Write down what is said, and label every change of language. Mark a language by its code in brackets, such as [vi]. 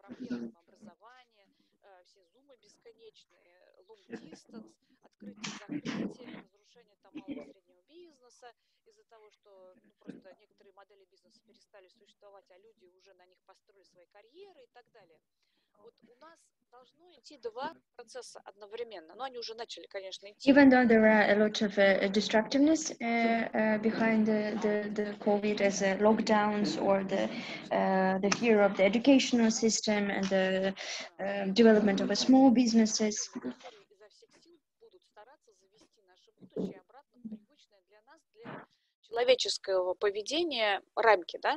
[ru] Образование, все зумы бесконечные, [en] long distance, [ru] открытие, закрытие, разрушение там малого среднего бизнеса из-за того, что ну, просто некоторые модели бизнеса перестали существовать, а люди уже на них построили свои карьеры и так далее. Вот у нас должно идти два процесса одновременно, но они уже начали, конечно, идти. [en] Even though there are a lot of destructiveness behind the COVID as lockdowns or the fear of the educational system and the development of a small businesses. [ru] Изо всех сил будут стараться завести наше будущее обратно в привычное для нас, для человеческого поведения рамки, да?